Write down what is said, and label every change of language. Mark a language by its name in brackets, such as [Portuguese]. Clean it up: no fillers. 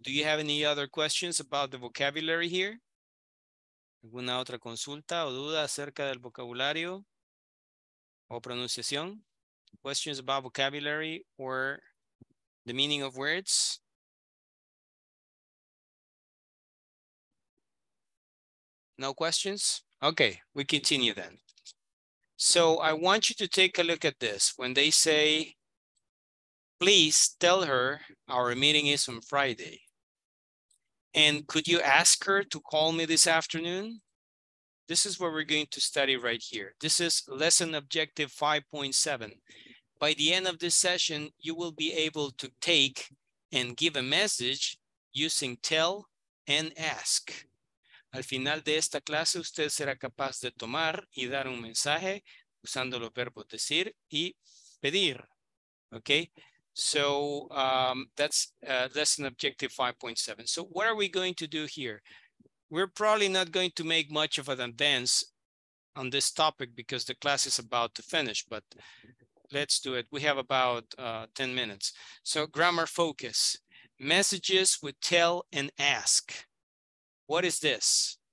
[English] Do you have any other questions about the vocabulary here? [Spanish] ¿Alguna otra consulta o duda acerca del vocabulario? O pronunciación. [English] Questions about vocabulary or the meaning of words. No questions? Okay, we continue then. So I want you to take a look at this. When they say, please tell her our meeting is on Friday. And could you ask her to call me this afternoon? This is what we're going to study right here. This is lesson objective 5.7. By the end of this session, you will be able to take and give a message using tell and ask. [Spanish] Al final de esta clase, usted será capaz de tomar y dar un mensaje usando los verbos decir y pedir. [English] Okay, so that's lesson objective 5.7. So what are we going to do here? We're probably not going to make much of an advance on this topic because the class is about to finish, but let's do it. We have about 10 minutes. So grammar focus, messages with tell and ask. What is this?